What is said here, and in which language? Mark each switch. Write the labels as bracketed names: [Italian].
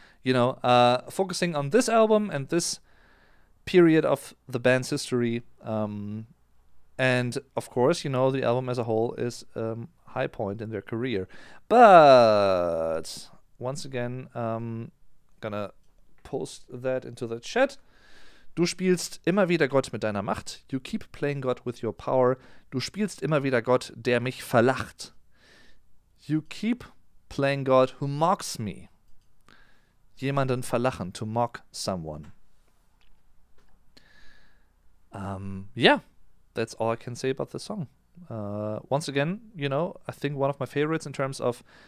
[English] You know, focusing on this album and this period of the band's history. And of course, you know, the album as a whole is a high point in their career. But once again, gonna post that into the chat. [German] Du spielst immer wieder Gott mit deiner Macht. [English] You keep playing God with your power. [German] Du spielst immer wieder Gott, der mich verlacht. [English] You keep playing God who mocks me. [German] Jemanden verlachen, [English] to mock someone. Yeah, that's all I can say about the song. Once again, you know, I think one of my favorites in terms of